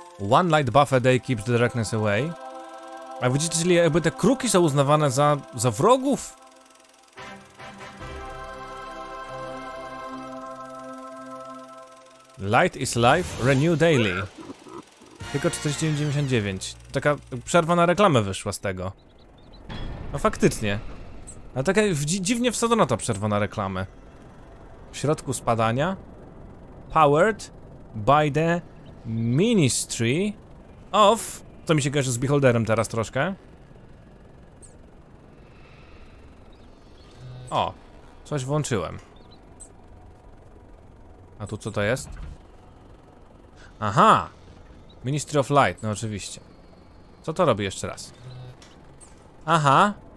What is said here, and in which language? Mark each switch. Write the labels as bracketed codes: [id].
[en] One light buff a day keeps the darkness away. [pl] A widzicie, czyli jakby te kruki są uznawane za wrogów? [en] Light is life, renew daily. [pl] Tylko 499. Taka przerwa na reklamę wyszła z tego. No faktycznie. A taka dziwnie wsadzona ta przerwa na reklamę. W środku spadania. [en] Powered by the Ministry of... [pl] To mi się kojarzy z Beholderem teraz troszkę. O, coś włączyłem. A tu co to jest? Aha! Ministry of Light, no oczywiście. Co to robi jeszcze raz? Aha!